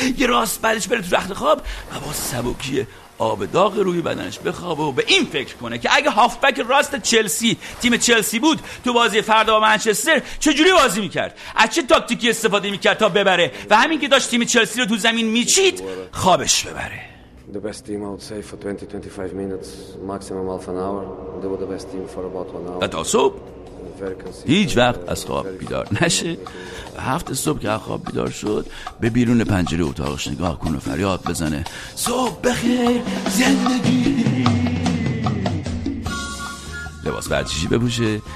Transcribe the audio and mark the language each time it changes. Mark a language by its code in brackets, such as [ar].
[fa] یه راست بعدش بره تو رخت خواب و با سبکیه آب داغ روی بدنش بخوابه و به این فکر کنه که اگه هافبک راست چلسی تیم چلسی بود تو بازی فردا با منچستر چجوری بازی میکرد، از چه تاکتیکی استفاده میکرد تا ببره و همین که داشت تیم چلسی رو تو زمین میچید خوابش ببره. [en] The best team I would say for 20 25 minutes maximum half an hour, they were the best team for about 1 hour. That also [fa] هیچ وقت از خواب بیدار نشه. هفته صبح که از خواب بیدار شد به بیرون پنجره اتاقش نگاه کنه و فریاد بزنه صبح بخیر زندگی، لباس ورزشی بپوشه،